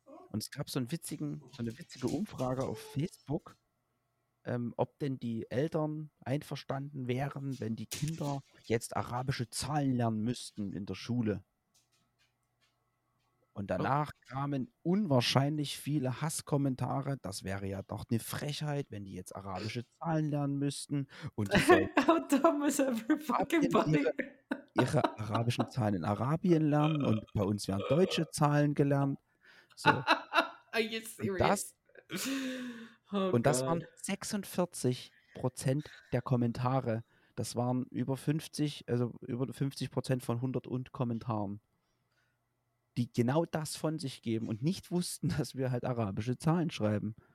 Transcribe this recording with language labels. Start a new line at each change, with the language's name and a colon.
German: Und es gab so eine witzige Umfrage auf Facebook, ob denn die Eltern einverstanden wären, wenn die Kinder jetzt arabische Zahlen lernen müssten in der Schule. Und danach kamen unwahrscheinlich viele Hasskommentare. Das wäre ja doch eine Frechheit, wenn die jetzt arabische Zahlen lernen müssten. Und
English: how dumb is every fucking body?
German: Ihre arabischen Zahlen in Arabien lernen und bei uns werden deutsche Zahlen gelernt. So.
English: Are you serious?
German: Das waren 46% der Kommentare. Das waren über 50% von 100 und Kommentaren, die genau das von sich geben und nicht wussten, dass wir halt arabische Zahlen schreiben.